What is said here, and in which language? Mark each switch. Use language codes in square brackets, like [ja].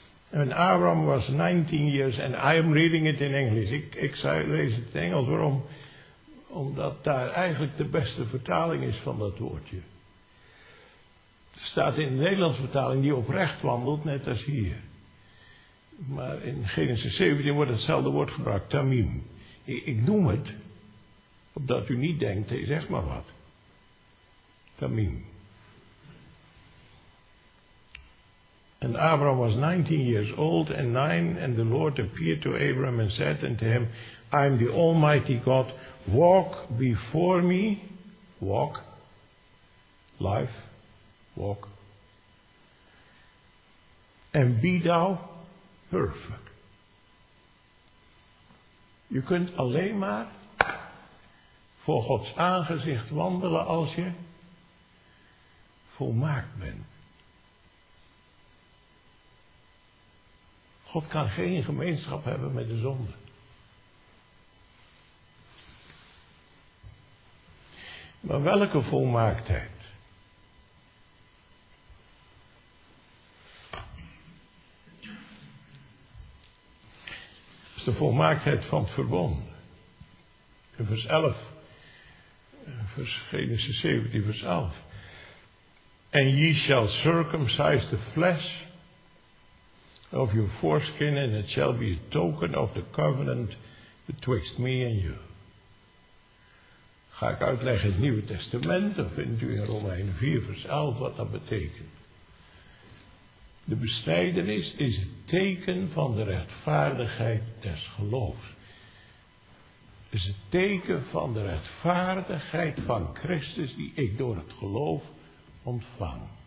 [en] En Abraham was 19 years, and I am reading it in English. [nl] Ik lees het in Engels, waarom? Omdat daar eigenlijk de beste vertaling is van dat woordje. Er staat in de Nederlandse vertaling, die oprecht wandelt, net als hier. Maar in Genesis 17 wordt hetzelfde woord gebruikt, tamim. Ik noem het, opdat u niet denkt, hey, zeg maar wat. Tamim. [en] En Abraham was 19 years old and 9, and the Lord appeared to Abraham and said unto him, I am the Almighty God, walk before me, walk, life, walk, and be thou perfect. [nl] Je kunt alleen maar voor Gods aangezicht wandelen als je volmaakt bent. God kan geen gemeenschap hebben met de zonde. Maar welke volmaaktheid? Dat is de volmaaktheid van het verbond. In vers 11. Genesis 17, vers 11. [en] And ye shall circumcise the flesh of your foreskin, and it shall be a token of the covenant betwixt me and you. [nl] Ga ik uitleggen in het Nieuwe Testament, dan vindt u in Romeinen 4 vers 11 wat dat betekent. De besnijdenis is het teken van de rechtvaardigheid des geloofs. Het is het teken van de rechtvaardigheid van Christus die ik door het geloof ontvang.